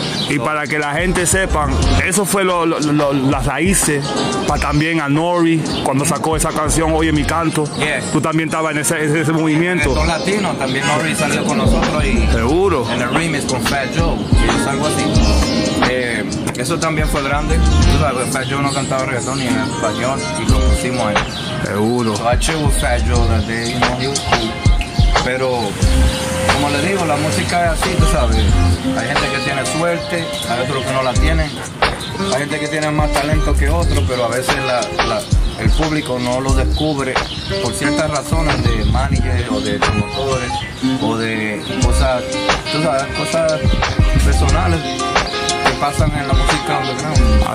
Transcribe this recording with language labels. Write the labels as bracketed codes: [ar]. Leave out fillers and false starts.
[es] Y para que la gente sepan, eso fue las raíces para también a Nori cuando sacó esa canción Oye Mi Canto. [en] Yes. [es] Tú también estabas en ese movimiento. Son latinos, también Nori salió con nosotros y seguro. En el remix con Fat Joe, es algo así. Eso también fue grande. Tú sabes, Fat Joe no cantaba reggaetón ni en español y lo pusimos ahí. Seguro. [en] So I chill with Fat Joe that day, you know, he was cool. [es] Pero como le digo, la música es así, tú sabes. Hay gente que tiene suerte, hay otros que no la tienen. Hay gente que tiene más talento que otro, pero a veces el público no lo descubre por ciertas razones de manager o de promotores o de cosas, tú sabes, cosas personales que pasan en la música underground.